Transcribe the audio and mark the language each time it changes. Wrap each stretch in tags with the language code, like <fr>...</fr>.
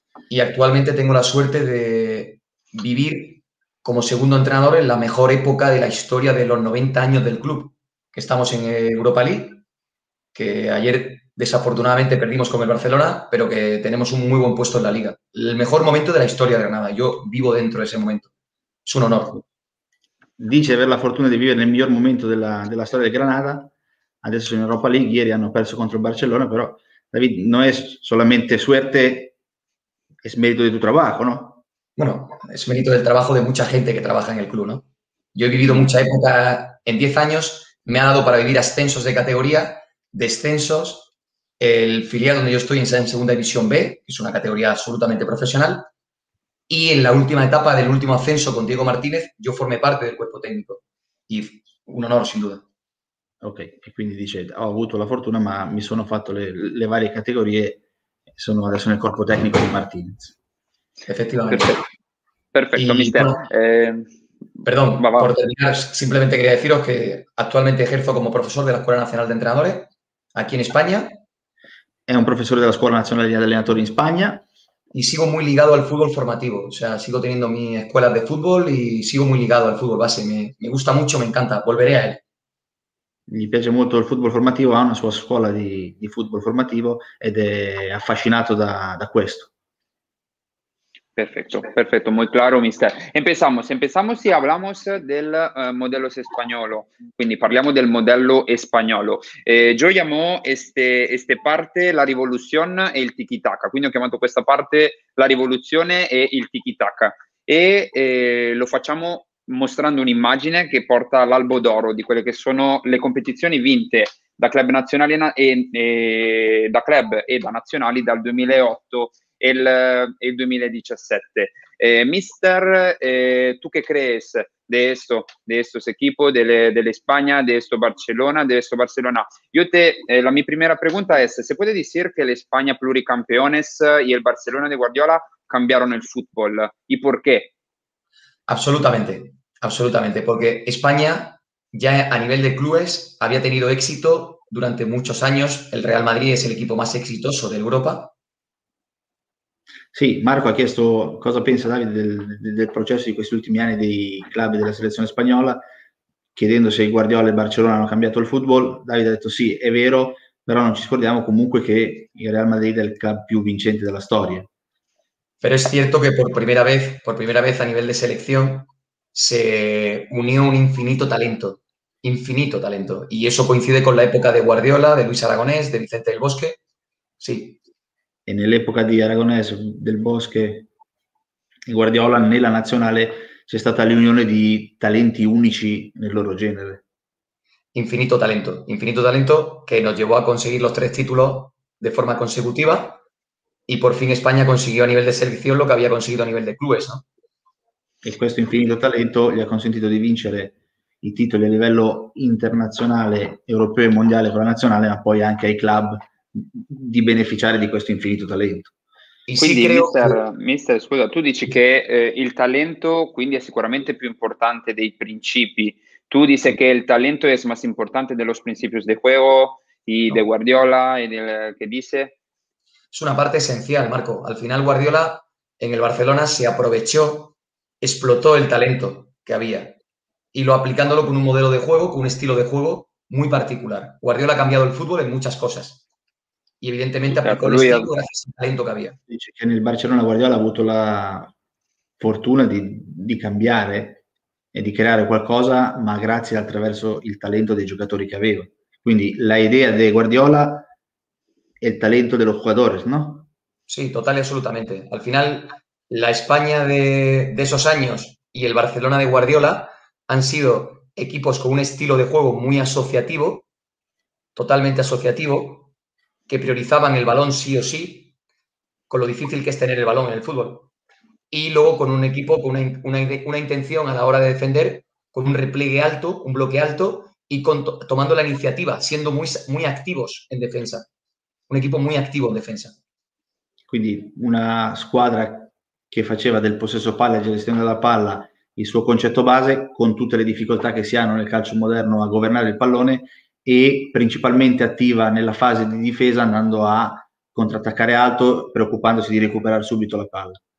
<es>Y actualmente tengo la suerte de vivir como segundo entrenador en la mejor época de la historia de los 90 años del club, que estamos en Europa League, que ayer desafortunadamente perdimos con el Barcelona, pero que tenemos un muy buen puesto en la liga. El mejor momento de la historia de Granada. Yo vivo dentro de ese momento. Es un honor.</es> <it>Dice aver la fortuna di vivere nel miglior momento della storia del Granada. Adesso sono in Europa League, ieri hanno perso contro il Barcellona, però David, non è solamente suerte, è merito di tuo lavoro,</it> <es>Bueno, es mérito del trabajo de mucha gente que trabaja en el club, ¿no? Yo he vivido mucha época en 10 años, me ha dado para vivir ascensos de categoría, descensos, el filial donde yo estoy en Segunda División B, que es una categoría absolutamente profesional, y en la última etapa del último ascenso con Diego Martínez, yo formé parte del cuerpo técnico, y un honor sin duda.</es> <it>Ok, e quindi dice: ho avuto la fortuna, ma mi sono fatto le varie categorie, sono adesso nel corpo tecnico di Martinez.</it> <es>Efectivamente. Perfecto, Y mister. bueno, perdón, por terminar, simplemente quería deciros que actualmente ejerzo como profesor de la Escuela Nacional de Entrenadores aquí en España</es> <it>È un professore della Scuola Nazionale di Allenatori in Spagna.</it> <es>y sigo muy ligado al fútbol formativo, o sea, sigo teniendo mi escuela de fútbol y sigo muy ligado al fútbol base, me gusta mucho, me encanta, volveré a él.</es> <it>Gli piace molto il football formativo, ha una sua scuola di football formativo ed è affascinato da questo.</it> <es>Perfecto, perfecto, muy claro, mister. Empezamos y hablamos del modelo español.</es> <it>Quindi parliamo del</it> <es>modelo español. Yo llamo este parte la revolución e il tiki-taka.</es> <it>Quindi ho chiamato questa parte la rivoluzione e il tiki-taka. E lo facciamo mostrando un'immagine che porta l'albo d'oro di quelle che sono le competizioni vinte da club nazionali e da club e da nazionali dal 2008 e il 2017. Mister, tu che crees,</it> <es>de esto equipo de España, de esto Barcelona. Yo te, la mi primera pregunta es, ¿se puede decir que el España pluricampeones y el Barcelona de Guardiola cambiaron el fútbol? ¿Y por qué? Absolutamente, absolutamente, porque España ya a nivel de clubes había tenido éxito durante muchos años. El Real Madrid es el equipo más exitoso de Europa.</es> <it>Sì, Marco ha chiesto cosa pensa Davide del processo di questi ultimi anni dei club della selezione spagnola, chiedendo se Guardiola e Barcellona hanno cambiato il football. Davide ha detto sì, è vero, però non ci scordiamo comunque che il Real Madrid è il club più vincente della storia. Però è cierto che per prima vez a livello di selezione</it> <es>se unió</es> <it>un infinito talento, e eso coincide con l'epoca di Guardiola, di Luis Aragonés, di Vicente del Bosque, sì. E nell'epoca di Aragonés, del Bosque e Guardiola, nella nazionale c'è stata l'unione di talenti unici nel loro genere.</it> <es>Infinito talento che nos llevó a conseguir los tres títulos de forma consecutiva y por fin España consiguió a nivel de selección lo que había conseguido a nivel de clubes, ¿no?</es> <it>E questo infinito talento gli ha consentito di vincere i titoli a livello internazionale, europeo e mondiale con la nazionale, ma poi anche ai club, di beneficiare di questo infinito talento. Quindi, mister, scusa, tu dici che il talento quindi è sicuramente più importante dei principi. Tu dici che il talento è più importante dello</it> <es>principios de juego y de Guardiola</es> <it>e del che dice?</it> <es>Es una parte esencial, Marco. Al final Guardiola en el Barcelona se aprovechó, explotó el talento que había y lo aplicándolo con un modelo de juego, con un estilo de juego muy particular. Guardiola ha cambiado el fútbol en muchas cosas. Y evidentemente aplicó el estilo gracias al talento que había. Dice que en el Barcelona</es> <it>Guardiola ha avuto la fortuna di cambiare e di creare qualcosa, ma grazie attraverso il talento dei giocatori che aveva. Quindi la idea di Guardiola è il talento dei giocatori, no? Sì, totale e assolutamente.</it> <es>Al final, la España de esos años y el Barcelona de Guardiola han sido equipos con un estilo de juego muy asociativo, totalmente asociativo, que priorizaban el balón sí o sí, con lo difícil que es tener el balón en el fútbol. Y luego con un equipo con una intención a la hora de defender, con un repliegue alto, un bloque alto, y tomando la iniciativa, siendo muy, muy activos en defensa. Un equipo muy activo en defensa.</es> <it>Quindi una squadra che faceva del possesso palla e gestione della palla il suo concetto base, con tutte le difficoltà che si hanno nel calcio moderno a governare il pallone, e principalmente attiva nella fase di difesa andando a contrattaccare alto, preoccupandosi di recuperare subito la palla.</it>